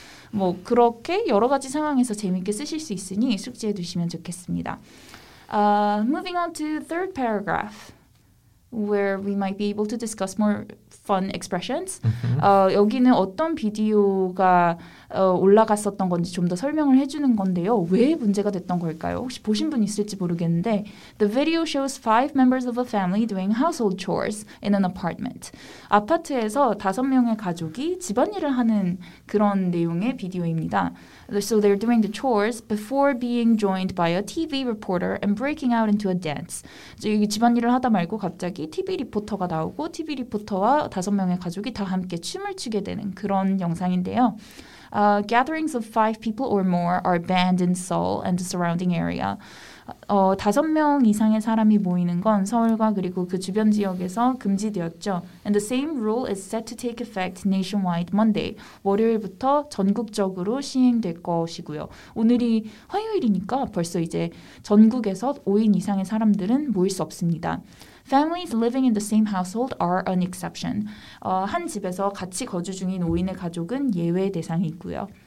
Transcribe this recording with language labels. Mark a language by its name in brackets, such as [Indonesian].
[Korean] 뭐 그렇게 여러 가지 상황에서 재미있게 쓰실 수 있으니 숙지해 두시면 좋겠습니다. [English] Moving on to the third paragraph, where we might be able to discuss more fun expressions. [Korean] 여기는 어떤 비디오가 올라갔었던 건지 좀 더 설명을 해주는 건데요. 왜 문제가 됐던 걸까요? 혹시 보신 분 있을지 모르겠는데 [English] The video shows five members of a family doing household chores in an apartment. [Korean] 아파트에서 다섯 명의 가족이 집안일을 하는 그런 내용의 비디오입니다. [English] So they're doing the chores before being joined by a TV reporter and breaking out into a dance. [Korean] 여기 집안일을 하다 말고 갑자기 TV 리포터가 나오고 TV 리포터와 다섯 명의 가족이 다 함께 춤을 추게 되는 그런 영상인데요. [English] Gatherings of five people or more are banned in Seoul and the surrounding area. [Korean] 다섯 명 이상의 사람이 모이는 건 서울과 그리고 그 주변 지역에서 금지되었죠. [English] And the same rule is set to take effect nationwide Monday. [Korean] 월요일부터 전국적으로 시행될 것이고요. 오늘이 화요일이니까 벌써 이제 전국에서 5인 이상의 사람들은 모일 수 없습니다. [English] Families living in the same household are an exception. [Korean] 한 집에서 같이 거주 중인 5인의 가족은 예외 대상이고요.